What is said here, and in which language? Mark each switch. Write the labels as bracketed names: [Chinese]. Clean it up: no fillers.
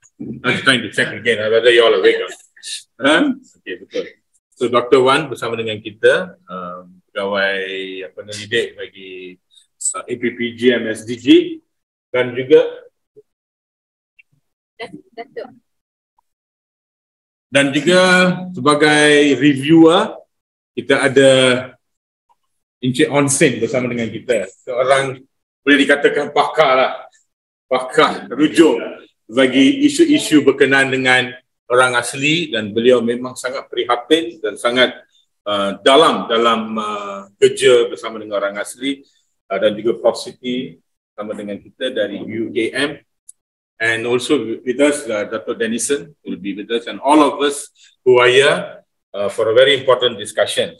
[English] I'm trying to check again whether you all are awake. [Malay] Okay, betul. So Dr. Wan bersama dengan kita, pegawai apa nama lidik bagi APPG MSDG dan juga dan juga sebagai reviewer kita ada Encik On Sin bersama dengan kita. Seorang boleh dikatakan pakar lah. Pakar rujuk bagi isu-isu berkenaan dengan orang asli, dan beliau memang sangat prihatin dan sangat dalam kerja bersama dengan orang asli, dan juga Prof. Siti sama dengan kita dari UKM, [English] and also with us [Malay] Dr. [English] Dennison will be with us and all of us who are here for a very important discussion.